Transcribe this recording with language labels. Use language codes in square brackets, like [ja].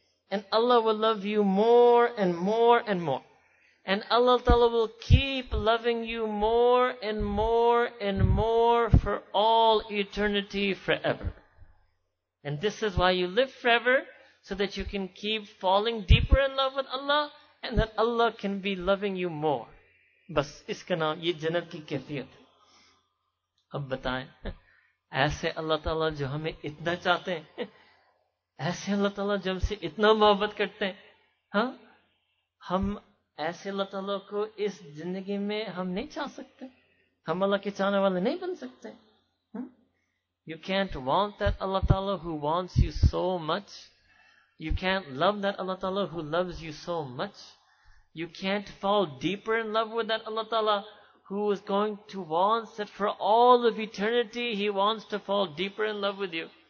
[en] And Allah will love you more and more and more. And Allah Ta'ala will keep loving you more and more and more for all eternity forever. And this is why you live forever, so that you can keep falling deeper in love with Allah, and that Allah can be loving you more. [ur] بس اس کا نام یہ جنت کی کیفیت ہے. اب بتائیں ایسے اللہ تعالیٰ جو ہمیں اتنا چاہتے ہیں, ایسے اللہ تعالیٰ جو ہم سے اتنا محبت کرتے ہیں, ہاں ہم ایسے اللہ تعالیٰ کو اس زندگی میں ہم نہیں چاہ سکتے, ہم اللہ کے چاہنے والے نہیں بن سکتے. [en] You can't want that Allah تعالیٰ who wants you so much. You can't love that Allah تعالیٰ who loves you so much. You can't fall deeper in love with that Allah Ta'ala who is going to want that for all of eternity He wants to fall deeper in love with you.